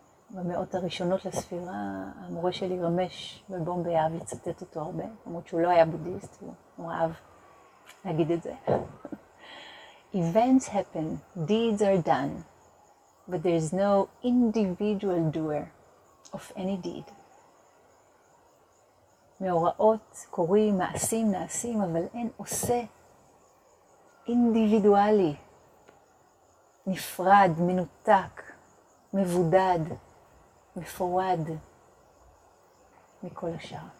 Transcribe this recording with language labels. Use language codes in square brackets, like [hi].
[he] במאות הראשונות לספירה, המורה שלי רמש בבומבי אהב לצטט אותו הרבה, למרות שהוא לא היה בודיסט, הוא אהב להגיד את זה. [en] Events happen, deeds are done, but there is no individual doer of any deed. [he] מאורעות קורים, מעשים נעשים, אבל אין עושה אינדיבידואלי, נפרד, מנותק, מבודד, מפורד מכל השאר.